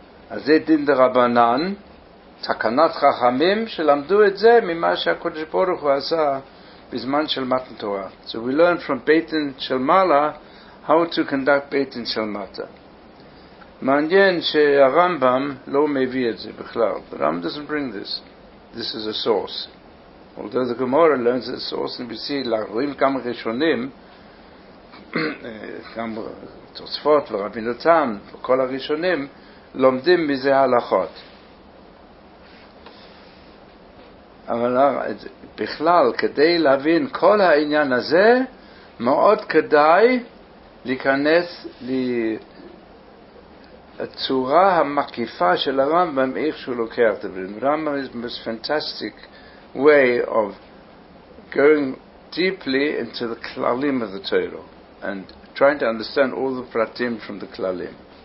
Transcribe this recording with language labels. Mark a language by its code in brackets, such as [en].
[he] אז זה דין דרבנן, תקנת חכמים שלמדו את זה ממה שהקדוש ברוך הוא עשה בזמן של מתן תורה. [en] So we learn from Beit Din של מעלה how to conduct Beit Din של מטה. [he] מעניין שהרמב״ם לא מביא את זה בכלל. [en] The Rambam doesn't bring this. This is a source. Although the Gemara learns the source, and we see [he] להרואים גם ראשונים, גם תוספות ורבינותם וכל הראשונים, לומדים מזה הלכות. אבל בכלל, כדי להבין כל העניין הזה, מאוד כדאי להיכנס לצורה המקיפה של הרמב״ם, איך שהוא לוקח את הדברים. [en] הרמב״ם is the most fantastic way of going deeply into the כללים of the Torah and trying to understand all the פרטים from the כללים.